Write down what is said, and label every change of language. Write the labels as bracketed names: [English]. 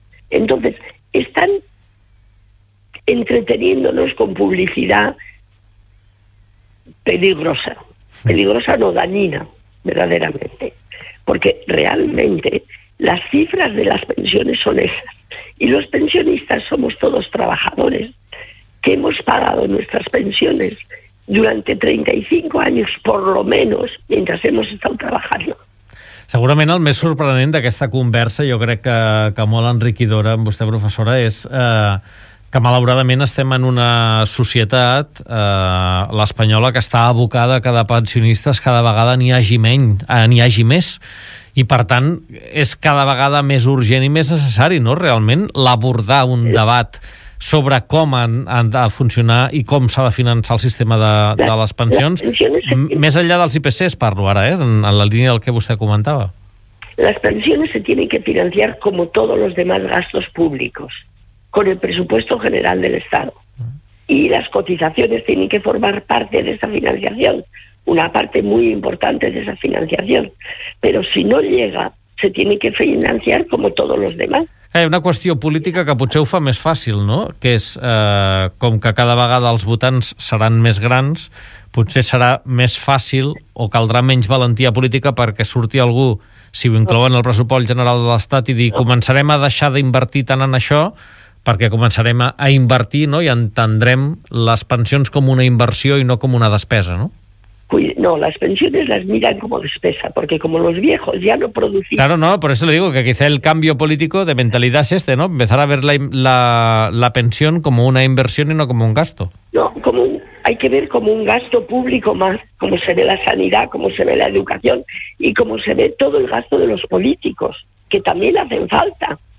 [Spanish] Entonces, están entreteniéndonos con publicidad peligrosa, no, dañina, verdaderamente, porque realmente las cifras de las pensiones son esas, y los pensionistas somos todos trabajadores que hemos pagado nuestras pensiones durante 35 años, por lo menos, mientras hemos estado trabajando. [Catalan] Segurament el més sorprenent d'aquesta conversa, jo crec que molt enriquidora amb vostè, professora, és que malauradament estem en una societat, l'espanyola, que està abocada a que de pensionistes cada vegada n'hi hagi més. I, per tant, és cada vegada més urgent i més necessari, no?, realment, l'abordar un debat sobre com han de funcionar i com s'ha de finançar el sistema de les pensions. Més enllà dels IPCs, parlo ara, en la línia del que vostè comentava. [Spanish] Las pensiones se tienen que financiar como todos los demás gastos públicos, con el presupuesto general del Estado. Y las cotizaciones tienen que formar parte de esa financiación, una parte muy importante de esa financiación. Pero si no llega, se tiene que financiar como todos los demás. [Catalan] Hi ha una qüestió política que potser ho fa més fàcil, no? Que és, com que cada vegada els votants seran més grans, potser serà més fàcil o caldrà menys valentia política perquè surti algú, si ho inclouen el pressupost general de l'Estat, i dir començarem a deixar d'invertir tant en això, perquè començarem a invertir, no?, i entendrem les pensions com una inversió i no com una despesa, no? [Spanish] No, las pensiones las miran como despesa, porque como los viejos ya no producían... Claro, no, por eso le digo que quizá el cambio político de mentalidad es este, ¿no? Empezar a ver la pensión como una inversión y no como un gasto. No, hay que ver como un gasto público más, como se ve la sanidad, como se ve la educación y como se ve todo el gasto de los políticos, que también hacen falta.